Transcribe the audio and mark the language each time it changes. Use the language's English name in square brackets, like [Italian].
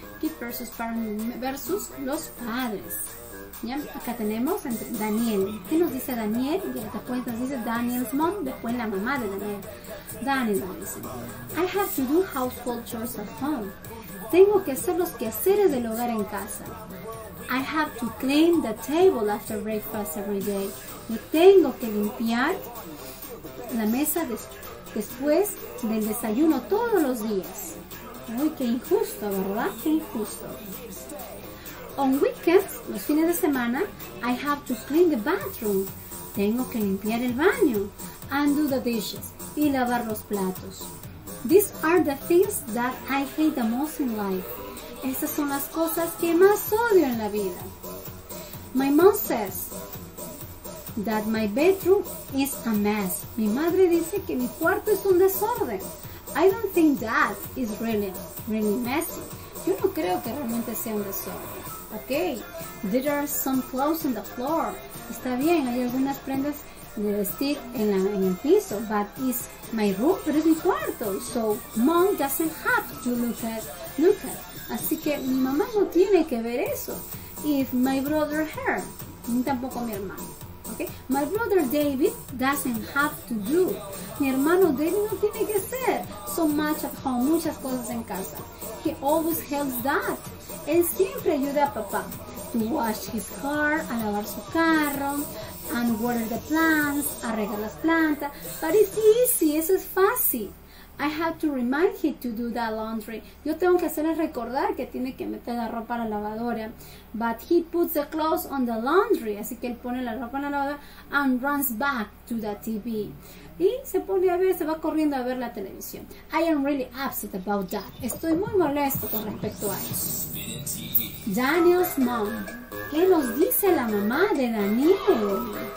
[English] Kids versus parents versus [Spanish] los padres. ¿Ya? Acá tenemos entre Daniel. ¿Qué nos dice Daniel? Y después nos dice Daniel's mom, después la mamá de Daniel. Daniel nos dice, [English] I have to do household chores at home. [Spanish] Tengo que hacer los quehaceres del hogar en casa. [English] I have to clean the table after breakfast every day. [Spanish] Y tengo que limpiar la mesa después del desayuno todos los días. Uy, qué injusto, ¿verdad? Qué injusto. [English] On weekends, [Spanish] los fines de semana, [English] I have to clean the bathroom. [Spanish] Tengo que limpiar el baño. [English] And do the dishes. [Spanish] Y lavar los platos. [English] These are the things that I hate the most in life. [Spanish] Estas son las cosas que más odio en la vida. [English] My mom says that my bedroom is a mess. [Spanish] Mi madre dice que mi cuarto es un desorden. [English] I don't think that is really, really messy. [Spanish] Yo no creo que realmente sea un desorden. [English] Ok. There are some clothes on the floor. [Spanish] Está bien, hay algunas prendas de vestir en el piso. [English] But it's my room, [Spanish] pero es mi cuarto. [English] So, mom doesn't have to look at. [Spanish] Así que mi mamá no tiene que ver eso. [English] If my brother her, [Spanish] tampoco mi hermano. Okay. [English] My brother David doesn't have to do. [Spanish] Mi hermano David no tiene que hacer [English] so much at home, [Spanish] muchas cosas en casa. [English] He always helps dad. [Spanish] Él siempre ayuda a papá. [English] To wash his car, [Spanish] a lavar su carro, [English] and water the plants, [Spanish] a regar las plantas. [English] But it's easy, [Spanish] eso es fácil. [English] I have to remind him to do the laundry. [Spanish] Yo tengo que hacerle recordar que tiene que meter la ropa a la lavadora. [English] But he puts the clothes on the laundry. [Spanish] Así que él pone la ropa en la lavadora [English] and runs back to the TV. [Spanish] Y se pone a ver, se va corriendo a ver la televisión. [English] I am really upset about that. [Spanish] Estoy muy molesto con respecto a eso. Daniel's mom. ¿Qué nos dice la mamá de Daniel?